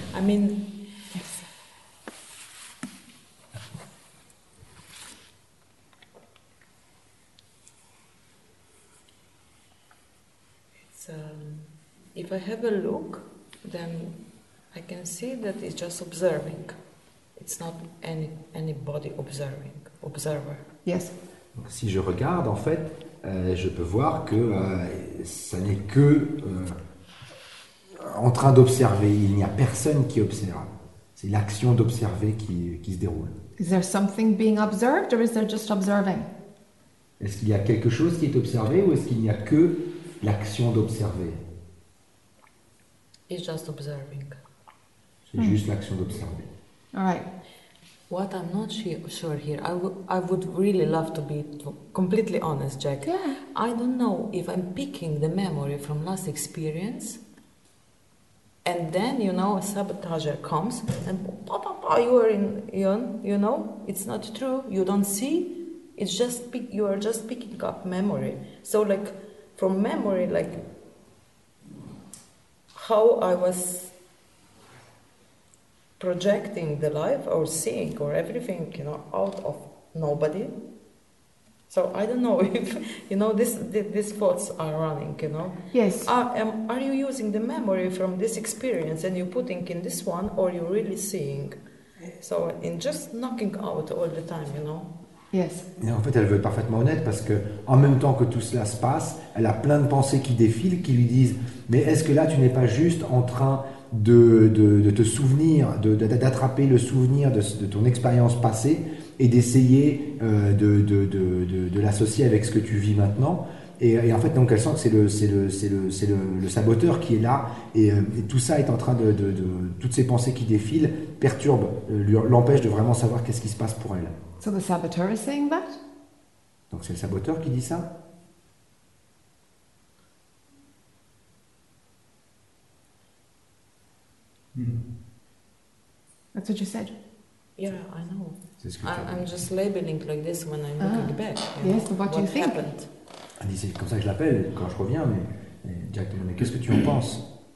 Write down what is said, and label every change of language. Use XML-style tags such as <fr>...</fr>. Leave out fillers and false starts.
<en>I mean, it's if I have a look, then I can see that it's just observing. It's not anybody observing. Observer. Yes.</en> <fr>Donc, si je regarde, en fait, je peux voir que ça n'est que en train d'observer. Il n'y a personne qui observe. C'est l'action d'observer qui se déroule.</fr> <en>Is there something being observed or is there just observing?</en> <fr>Est-ce qu'il y a quelque chose qui est observé ou est-ce qu'il n'y a que l'action d'observer?</fr> <en>It's just observing.</en> <fr>C'est juste l'action d'observer.</fr> <en>All right. What I'm not sure here, I would really love to be completely honest, Jack. Yeah. I don't know if I'm picking the memory from last experience, and then, you know, a sabotager comes, and you are in, you know, it's not true, you don't see, it's just you are just picking up memory. So, like, from memory, like, how I was projecting the life or seeing or everything, you know, out of nobody. So I don't know if, you know, these thoughts are running, you know. Yes. Are you using the memory from this experience and you're putting in this one, or you're really seeing? So in just knocking out all the time, you know. Yes.</en> <fr>Et en fait, elle veut être parfaitement honnête parce que en même temps que tout cela se passe, elle a plein de pensées qui défilent, qui lui disent, mais est-ce que là, tu n'es pas juste en train de te souvenir, d'attraper le souvenir de ton expérience passée et d'essayer de l'associer avec ce que tu vis maintenant. Et en fait, donc, elle sent que c'est le saboteur qui est là et tout ça est en train de toutes ces pensées qui défilent perturbent, l'empêchent de vraiment savoir qu'est-ce qui se passe pour elle.</fr> <en>So the saboteur is saying that?</en> <fr>Donc c'est le saboteur qui dit ça?</fr> <en>Mm-hmm. That's what you said. Yeah, I know. I'm just labeling like this when I'm looking back. Yes, but what do you think? Happened?</en> <fr>Elle dit, c'est comme ça que je l'appelle quand je reviens, mais directement, mais qu'est-ce que tu en penses?</fr>